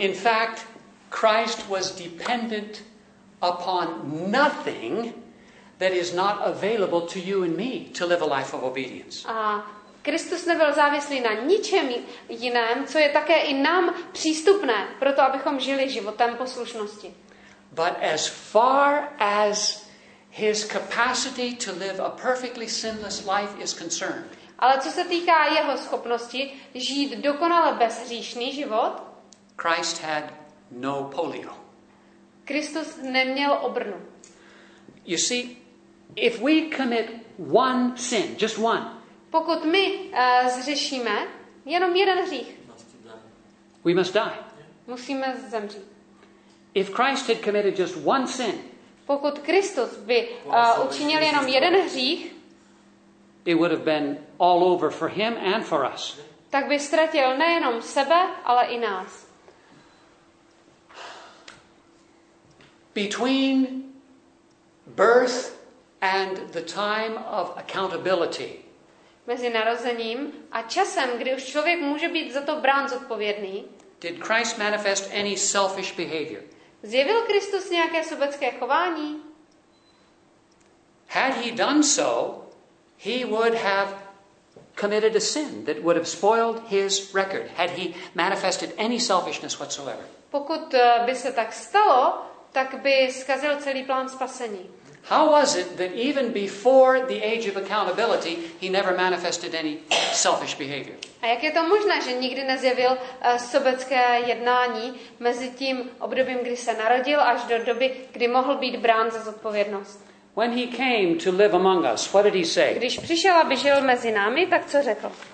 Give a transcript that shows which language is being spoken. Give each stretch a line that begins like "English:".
English: In fact, Christ was dependent upon nothing that is not available to you and me to live a life of obedience.
Czech: A Kristus nebyl závislý na ničem jiném, co je také i nám přístupné, proto abychom žili životem poslušnosti.
English: But as far as his capacity to live a perfectly sinless life is concerned.
Czech: Ale co se týká jeho schopnosti žít dokonale bezhříšný život?
English: Christ had no polio.
Czech: Kristus neměl obrnu.
English: You see, if we commit one sin, just one.
Czech: Pokud my zřešíme jenom jeden hřích.
English: We must die.
Czech: Musíme zemřít.
English: If Christ had committed just one sin.
Czech: Pokud Kristus by učinil jenom jeden hřích,
English: it would have been all over for him and for us.
Czech: Tak by ztratil nejenom sebe, ale i nás.
English: Between birth and the time of accountability.
Czech: Mezi narozením a časem, kdy už člověk může být za to brán zodpovědný.
English: Did Christ manifest any selfish behavior?
Czech: Zjevil Kristus nějaké sobecké chování?
English: Had he done so, he would have committed a sin that would have spoiled his record. Had he manifested any selfishness whatsoever?
Czech: Pokud by se tak stalo, tak by zkazil celý plán spasení.
English: How was it that even before the age of accountability he never manifested any selfish behavior?
Czech: A jak je to možné, že nikdy nezjevil sobecké jednání mezi tím obdobím, kdy se narodil, až do doby, kdy mohl být brán za zodpovědnost?
English: When he came to live among us, what did he say?
Czech: Když přišel, aby žil mezi námi, tak co řekl?